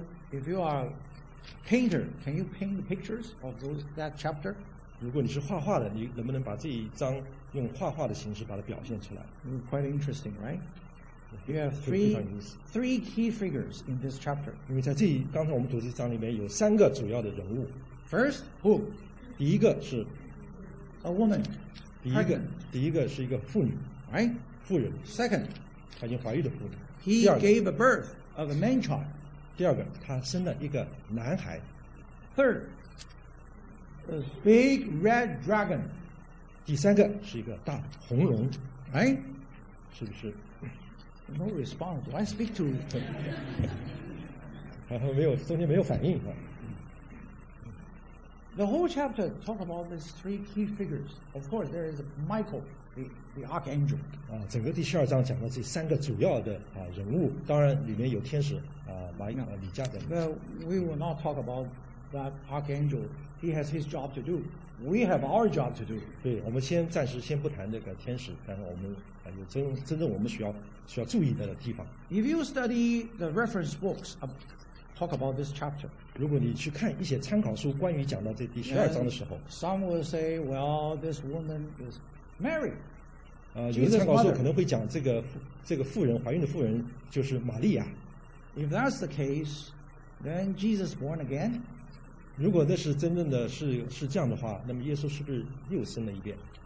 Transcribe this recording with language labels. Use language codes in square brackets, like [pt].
[en] If you are painter, can you paint the pictures of those, that chapter? [zh] 如果你是画画的，你能不能把这一章用画画的形式把它表现出来？ [en] Quite interesting, right? You have three key figures in this chapter. [zh] 因为在这一刚才我们读这章里面有三个主要的人物。 [en] First, who? [zh] 第一个是 [en] a woman. [zh] 第一个是一个妇女， [en] right? [zh] 妇人。 [en] Second, [zh] 她已经怀孕的妇女。 [en] He gave a birth of a man child. [zh] 第二个，他生了一个男孩。 [en] Third, a big red dragon. [zh] 第三个是一个大红龙。哎，是不是 [en] ？No response. Why speak to? [zh] 然后没有，中间没有反应。 [en] The whole chapter talk about these three key figures. Of course, there is Michael, the archangel. [zh] 啊，整个第十二章讲到这三个主要的啊人物，当然里面有天使。 [en] Well, we will not talk about that archangel. He has his job to do. We have our job to do. [zh] 对，我们暂时先不谈这个天使，但是我们有真正我们需要注意的地方。 [en] If you study the reference books, talk about this chapter. [zh] 如果你去看一些参考书，关于讲到这第十二章的时候 [en] ，Some will say, "Well, this woman is Mary." [zh] 有的参考书可能会讲这个妇人怀孕的妇人就是玛利亚。 [en] If that's the case, then Jesus born again. [zh] 如果那是真正的是这样的话，那么耶稣是不是又生了一遍？